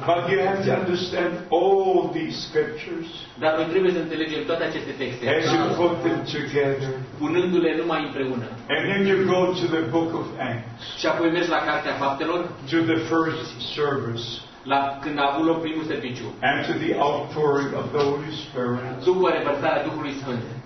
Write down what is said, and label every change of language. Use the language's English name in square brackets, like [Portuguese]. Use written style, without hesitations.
[English] But you have to understand all these scriptures. [Romanian] Dar noi trebuie să înțelegem toate aceste texte. [English] As you put them together. [Romanian] Punându-le numai împreună. [English] And then you go to the book of Acts. [Romanian] Și apoi mergi la Cartea Faptelor. [English] To the first service. [Romanian] La când a avut loc primul serviciu. [English] And to the outpouring of the Holy Spirit. [Romanian] După revărsarea Duhului Sfânt.